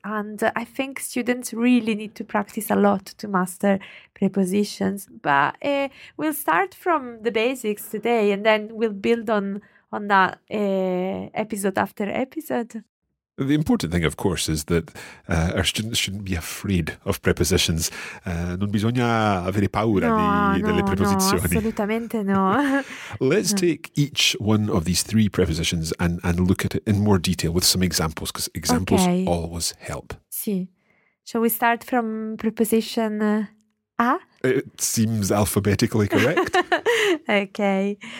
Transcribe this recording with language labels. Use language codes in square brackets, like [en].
[en] And I think students really need to practice a lot to master prepositions. But we'll start from the basics today, and then we'll build on that episode after episode. The important thing, of course, is that our students shouldn't be afraid of prepositions. [it] Non bisogna avere paura delle preposizioni. No, assolutamente no. [en] Let's take each one of these three prepositions and look at it in more detail with some examples, because examples always help. Sì. Shall we start from preposition a? It seems alphabetically correct. Okay.